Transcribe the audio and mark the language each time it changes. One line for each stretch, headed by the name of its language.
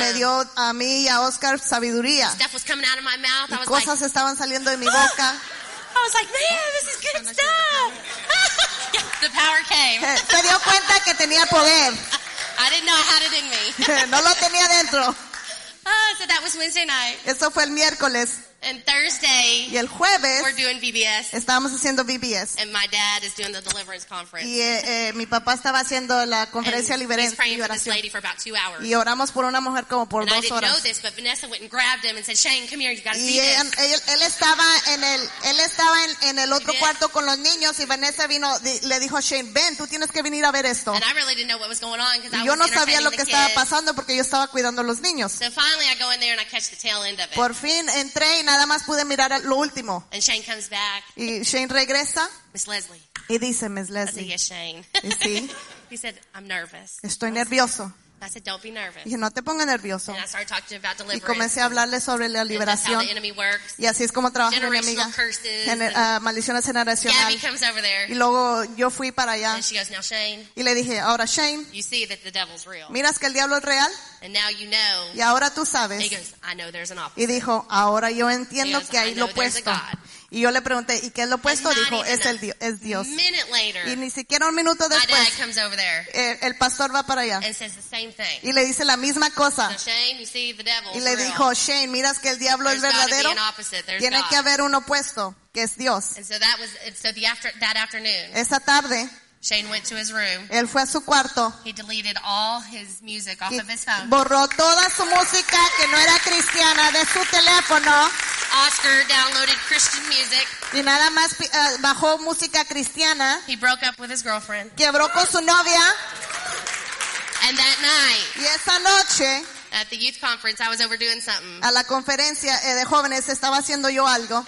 Spanish: Me dio a mí y a Oscar sabiduría.
English: Stuff was coming out of my mouth.
Spanish: Y
English: I was
Spanish: cosas
English: like,
Spanish: estaban saliendo de mi boca.
English: I was like, man, this is good stuff. The power came.
Spanish: Se dio cuenta que tenía poder.
English: I didn't know I had it in me.
Spanish: No lo tenía dentro.
English: So that was Wednesday night.
Spanish: Eso fue el miércoles.
English: And Thursday,
Spanish: y el jueves,
English: we're doing VBS.
Spanish: Estábamos haciendo VBS.
English: And my dad is doing the deliverance conference.
Spanish: Y mi papá estaba haciendo la conferencia de liberación.
English: And he's praying for this lady for about 2 hours.
Spanish: Y oramos por una mujer como por
English: and
Spanish: dos horas.
English: And I didn't know this, but Vanessa went and grabbed him and said, Shane, come here, you gotta
Spanish: y
English: see this.
Spanish: Y él estaba en el otro VBS. Cuarto con los niños y Vanessa vino, le dijo a Shane, ven, tú tienes que venir a ver esto.
English: And I really didn't know what was going on because I was entertaining the kids.
Spanish: Yo no sabía lo que estaba pasando porque yo estaba cuidando a los niños.
English: So finally I go in there and I catch the tail end of it.
Spanish: Por fin entré y nada más pude mirar lo último.
English: And Shane comes back.
Spanish: Y Shane regresa.
English: Miss Leslie.
Spanish: Y dice, Miss Leslie.
English: I said, yes, Shane.
Spanish: Y sí.
English: He said, I'm nervous.
Spanish: Estoy nervioso.
English: I said, don't be nervous.
Spanish: Y dije, no te ponga nervioso.
English: And I started talking about deliverance.
Spanish: Y comencé a hablarle sobre la liberación.
English: And how the enemy works.
Spanish: Y así es como trabaja mi amiga. Maldiciones
English: generacionales. Gabby comes over there.
Spanish: Y luego yo fui para allá.
English: And she goes, now Shane.
Spanish: Y le dije, ahora Shane.
English: You see that the devil's real.
Spanish: Miras que el diablo es real.
English: And now you know.
Spanish: Y ahora tú sabes.
English: And he goes, I know there's an opposite.
Spanish: Y dijo, ahora yo entiendo que hay lo opuesto. Y yo le pregunté, ¿y qué es lo opuesto? Dijo, es Dios.
English: Later,
Spanish: y ni siquiera un minuto después,
English: there,
Spanish: el pastor va para allá. Y le dice la misma cosa.
English: So Shane,
Spanish: y le dijo, Shane, miras que el diablo
English: there's
Spanish: es verdadero. Tiene
English: God.
Spanish: Que haber un opuesto, que es Dios.
English: So that was, so the after, that afternoon,
Spanish: esa tarde,
English: Shane went to his room.
Spanish: Él fue a su cuarto.
English: He deleted all his music off of his phone.
Spanish: Borró toda su música que no era cristiana de su teléfono.
English: Oscar downloaded Christian music.
Spanish: Y nada más bajó música cristiana.
English: He broke up with his girlfriend.
Spanish: Quebró con su novia.
English: And that night.
Spanish: Y esa noche.
English: At the youth conference, I was overdoing something.
Spanish: A la conferencia de jóvenes estaba haciendo yo algo.